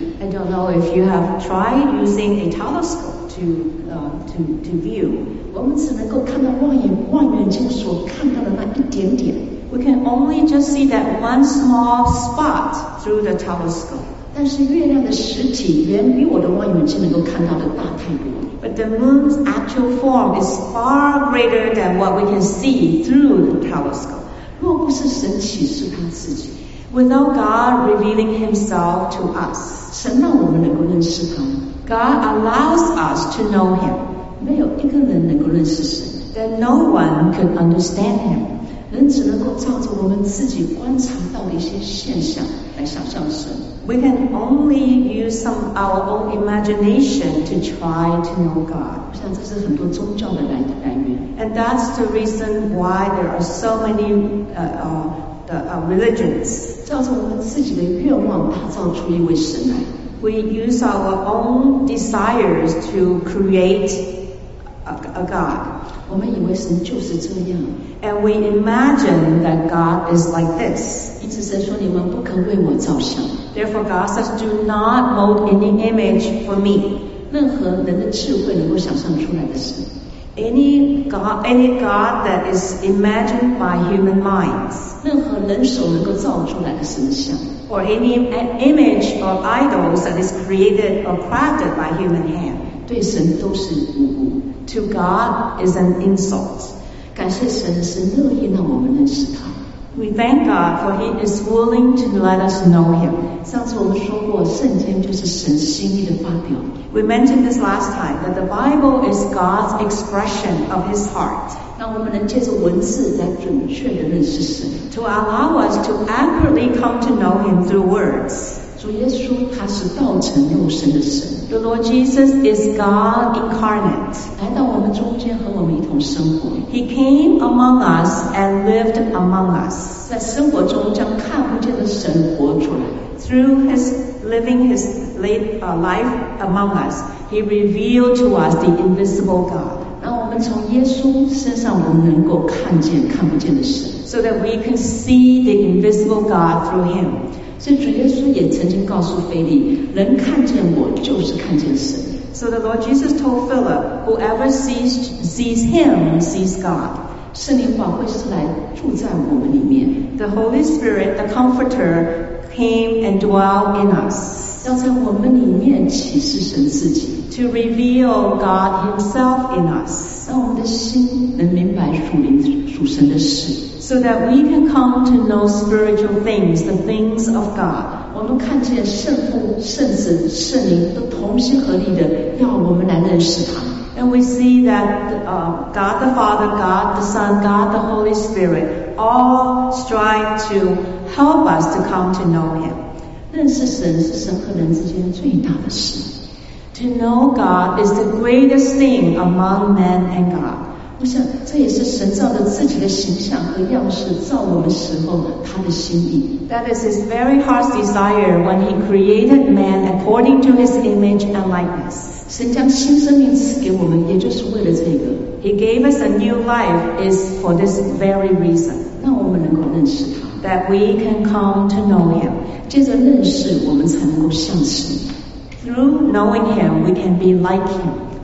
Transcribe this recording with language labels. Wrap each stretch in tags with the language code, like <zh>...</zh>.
<en>I don't know if you have tried using a telescope to view.</en> <zh>我们只能够看到望远镜所看到的那一点点。</zh> <en>We can only just see that one small spot through the telescope.</en> <zh>但是月亮的实体远比我的望远镜能够看到的大太多。</zh> <en>But the moon's actual form is far greater than what we can see through the telescope.</en> <zh>若不是神启示他自己</zh> <en>Without God revealing himself to us.</en> <zh>神让我们能够认识他</zh> <en>God allows us to know him.</en> <zh>没有一个人能够认识神</zh> <en>Then no one can understand him.</en> <zh>人只能够照着我们自己观察到的一些现象来想象神。</zh> <en>We can only use some our own imagination to try to know God.</en> <zh>我想这是很多宗教的来源。</zh> <en>And that's the reason why there are so many religions.</en> <zh>照着我们自己的愿望打造出一位神来。</zh> <en>We use our own desires to create a God.</en> <zh>我们以为神就是这样。</zh> <en>And we imagine that God is like this.</en> <zh>一直在说你们不肯为我造像。</zh> <en>Therefore, God says, "Do not mold any image for me."</en> <zh>任何人的智慧能够想象出来的事。</zh> <en>Any God that is imagined by human minds.</en> <zh>任何人手能够造出来的神像。</zh> <en>Or any image or idols that is created or crafted by human hand.</en> <zh>对神都是侮辱。</zh> <en>To God is an insult.</en> <zh>感谢神是乐意让我们认识他。</zh> <en>We thank God for He is willing to let us know Him.</en> <zh>上次我们说过，圣经就是神心意的发表。</zh> <en>We mentioned this last time that the Bible is God's expression of His heart.</en> <zh>让我们能借着文字来准确地认识神。</zh> <en>To allow us to accurately come to know Him through words.</en> <zh>主耶稣他是道成肉身的神。</zh> <en>The Lord Jesus is God incarnate.</en> <zh>来到我们中间和我们一同生活。</zh> <en>He came among us and lived among us.</en> <zh>在生活中将看不见的神活出来。</zh> <en>Through his living his life among us, he revealed to us the invisible God.</en> <zh>让我们从耶稣身上我们能够看见看不见的神。</zh> <en>So that we can see the invisible God through him.</en> <zh>所以主耶稣也曾经告诉腓力，人看见我就是看见神。</zh> <en>So the Lord Jesus told Philip, whoever sees him sees God.</en> <zh>圣灵宝会是来住在我们里面。</zh> <en>The Holy Spirit, the Comforter, came and dwelt in us.</en> <zh>要在我们里面启示神自己。</zh> <en>To reveal God Himself in us.</en> <zh>让我们的心能明白属灵属神的事。</zh> <en>So that we can come to know spiritual things, the things of God.</en> <zh>我们看见圣父、圣子、圣灵都同心合力的要我们来认识他。</zh> <en>And we see that God the Father, God the Son, God the Holy Spirit all strive to help us to come to know Him.</en> <zh>认识神是神和人之间最大的事。</zh> <en>To know God is the greatest thing among men and God.</en> <zh>我想这也是神照着自己的形象和样式造我们时候他的心意。</zh> <en>That is His very heart's desire when He created man according to His image and likeness.</en> <zh>神将新生命赐给我们，也就是为了这个。</zh> <en>He gave us a new life is for this very reason.</en> <zh>让我们能够认识他。</zh> <en>That we can come to know Him.</en> <zh>借着认识，我们才能够像神。</zh> <en>Through knowing Him, we can be like Him.</en>